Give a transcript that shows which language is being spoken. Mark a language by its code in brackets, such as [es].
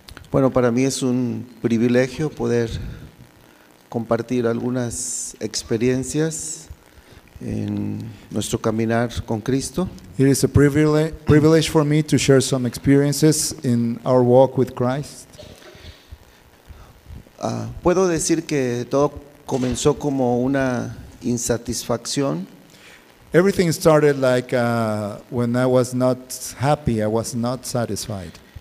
[es] Bueno, para mí es un privilegio poder compartir algunas experiencias en nuestro caminar con Cristo. [en] It is a privilege for me to share some experiences in our walk with Christ. [es] Puedo decir que todo comenzó como una insatisfacción. [en] Everything started like when I was not happy, I was not satisfied.